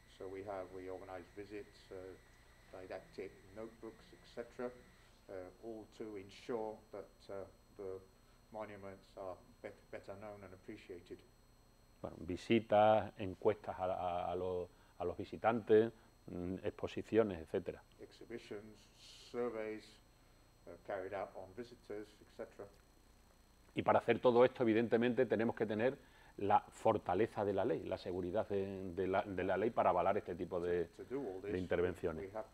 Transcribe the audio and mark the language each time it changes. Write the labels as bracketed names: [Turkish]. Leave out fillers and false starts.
[English] So we organize visits, didactic notebooks, etc., all to ensure that the monuments are better known and appreciated. [Spanish] Bueno, visitas, encuestas a los visitantes, exposiciones, etc. [English] Exhibitions, surveys carried out on visitors, etc. [Spanish] Y para hacer todo esto, evidentemente, tenemos que tener la fortaleza de la ley, la seguridad de la ley para avalar este tipo de intervenciones.